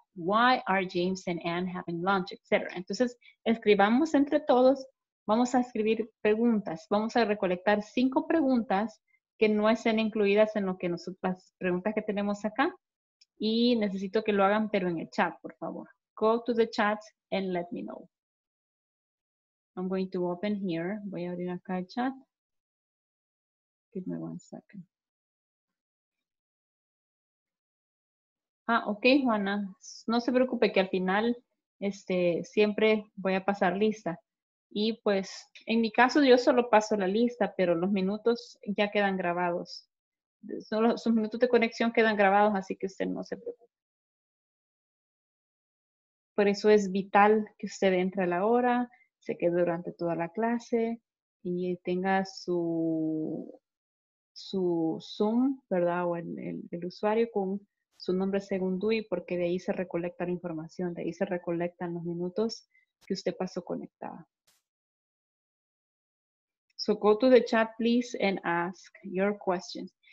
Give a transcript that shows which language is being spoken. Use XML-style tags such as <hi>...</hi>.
<en>Why are James and Anne having lunch, etc.?</en> <es>Entonces, escribamos entre todos. Vamos a escribir preguntas. Vamos a recolectar 5 preguntas que no estén incluidas en lo que las preguntas que tenemos acá. Y necesito que lo hagan, pero en el chat, por favor.</es> <en>Go to the chat and let me know. I'm going to open here.</en> <es>Voy a abrir acá el chat.</es> <en>Give me 1 second.</en> <es>Ah, ok, Juana. No se preocupe que al final siempre voy a pasar lista. Y pues, en mi caso, yo solo paso la lista, pero los minutos ya quedan grabados. Solo sus minutos de conexión quedan grabados, así que usted no se preocupe. Por eso es vital que usted entre a la hora, se quede durante toda la clase y tenga su Zoom, ¿verdad? O el usuario con su nombre según DUI, porque de ahí se recolecta la información, de ahí se recolectan los minutos que usted pasó conectada.</es> <en>So go to the chat, please, and ask your questions.</en>